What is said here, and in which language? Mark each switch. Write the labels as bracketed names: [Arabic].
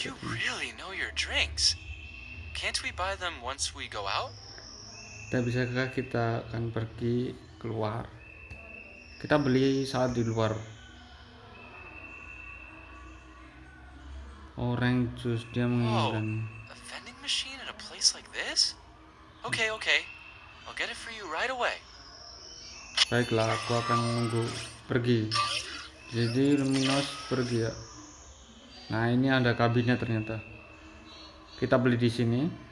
[English] You really know your drinks. Can't we buy them once we go out? [Indonesian] Tidak bisakah kita akan pergi keluar? Kita beli saat di luar. Orang jus dia menginginkan. [English] Oh, a vending machine at a place like this? Okay, okay. I'll get it for you right away. [Indonesian] Baiklah, aku akan menunggu. Pergi. Jadi Luminous pergi ya. Nah, ini ada kabinnya ternyata. Kita beli di sini.